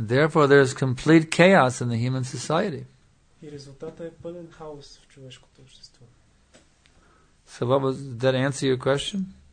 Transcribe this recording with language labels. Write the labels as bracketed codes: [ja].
[en] Therefore, there is complete chaos in the human society. [bg] И резултатът е пълен хаос в човешкото общество. [en] So what was, did that answer your question?